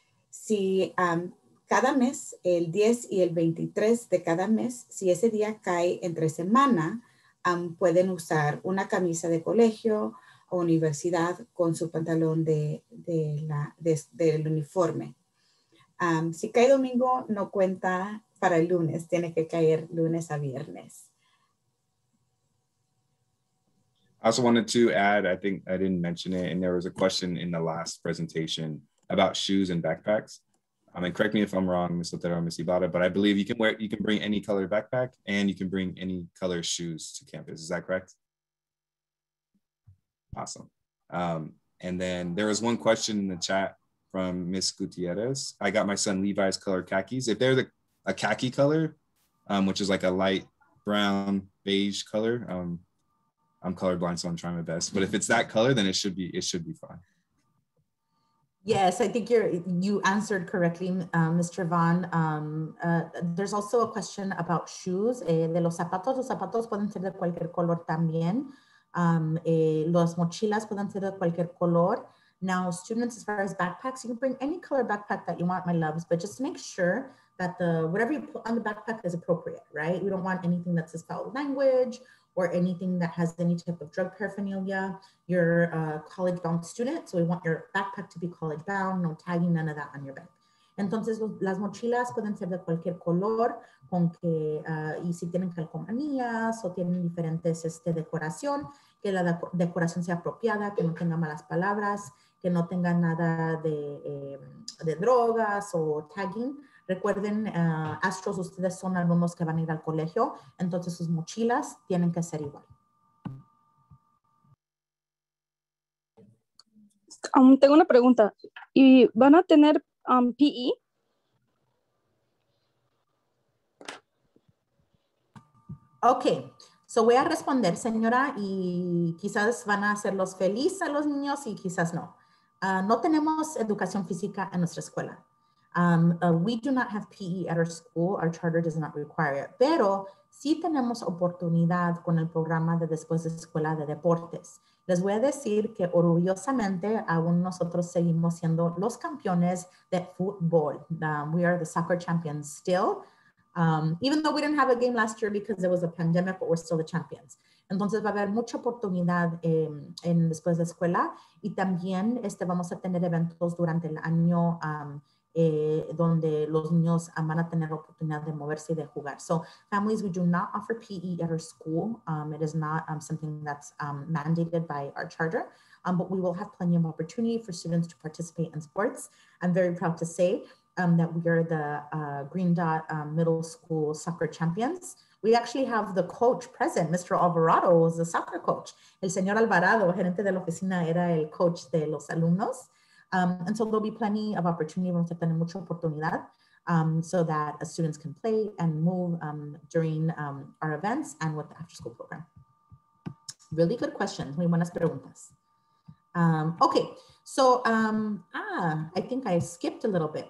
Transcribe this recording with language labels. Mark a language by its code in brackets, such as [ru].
[es] Si cada mes, el 10 y el 23 de cada mes, si ese día cae entre semana, pueden usar una camisa de colegio o universidad con su pantalón del uniforme. Si cae domingo, no cuenta para el lunes, tiene que caer lunes a viernes. [en] I also wanted to add, I think I didn't mention it, and there was a question in the last presentation about shoes and backpacks. I mean, correct me if I'm wrong, Ms. Otero, Ms. Ibarra, but I believe you can bring any color backpack and you can bring any color shoes to campus. Is that correct? Awesome. And then there was one question in the chat from Ms. Gutierrez. I got my son Levi's color khakis. If they're a khaki color, which is like a light brown beige color, I'm colorblind, so I'm trying my best. But if it's that color, then it should be fine. Yes, I think you answered correctly, Mr. Vaughn. There's also a question about shoes. [es] De los zapatos pueden ser de cualquier color también. Las mochilas pueden ser de cualquier color. [en] Now, students, as far as backpacks, you can bring any color backpack that you want, my loves, but just make sure that whatever you put on the backpack is appropriate, right? We don't want anything that's a foul language or anything that has any type of drug paraphernalia. You're a college bound student, so we want your backpack to be college bound, no tagging, none of that on your bag. [es] Entonces, las mochilas pueden ser de cualquier color, con que, y si tienen calcomanías o tienen diferentes decoración, que la decoración sea apropiada, que no tenga malas palabras, que no tenga nada de drogas o tagging. Recuerden, Astros, ustedes son alumnos que van a ir al colegio, entonces sus mochilas tienen que ser igual. Tengo una pregunta. ¿Y van a tener PE? [en] Okay. [es] So voy a responder, señora, y quizás van a hacerlos feliz a los niños y quizás no. No tenemos educación física en nuestra escuela. [en] We do not have PE at our school. Our charter does not require it. [es] Pero sí tenemos oportunidad con el programa de después de escuela de deportes. Les voy a decir que orgullosamente aún nosotros seguimos siendo los campeones de fútbol. [en] We are the soccer champions still. Even though we didn't have a game last year because there was a pandemic, but we're still the champions. [es] Entonces va a haber mucha oportunidad en después de escuela y también vamos a tener eventos durante el año donde los niños van a tener oportunidad de moverse y de jugar. [en] So families, we do not offer PE at our school. It is not something that's mandated by our charter, but we will have plenty of opportunity for students to participate in sports. I'm very proud to say that we are the Green Dot Middle School Soccer Champions. We actually have the coach present. Mr. Alvarado was the soccer coach. [es] El señor Alvarado, gerente de la oficina, era el coach de los alumnos. [en] And so there'll be plenty of opportunity. [es] Vamos a tener mucha oportunidad [en] so that students can play and move during our events and with the after-school program. Really good questions. [es] Muy buenas preguntas. [en] Okay, so I think I skipped a little bit.